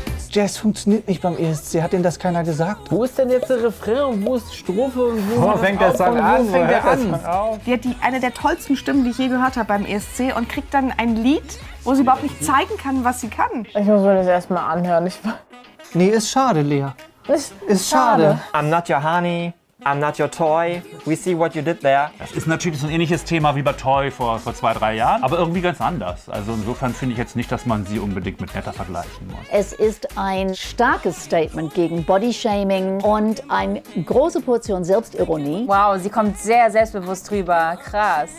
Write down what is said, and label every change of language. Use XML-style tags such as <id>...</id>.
<de>Jazz funktioniert nicht beim ESC, hat denn das keiner gesagt? Wo ist denn jetzt der Refrain und wo ist die Strophe und wo oh, fängt der Song an? Fängt der an? Die hat eine der tollsten Stimmen, die ich je gehört habe beim ESC und kriegt dann ein Lied, wo sie überhaupt nicht zeigen kann, was sie kann. Ich muss mir das erstmal anhören. Nee, ist schade, Lea. Ist schade.</de> <en>I'm not your honey, I'm not your toy. We see what you did there.</en> <de>Das ist natürlich so ein ähnliches Thema wie bei Toy vor 2, 3 Jahren, aber irgendwie ganz anders. Also insofern finde ich jetzt nicht, dass man sie unbedingt mit Netta vergleichen muss. Es ist ein starkes Statement gegen Bodyshaming und eine große Portion Selbstironie. Wow, sie kommt sehr selbstbewusst rüber. Krass.</de>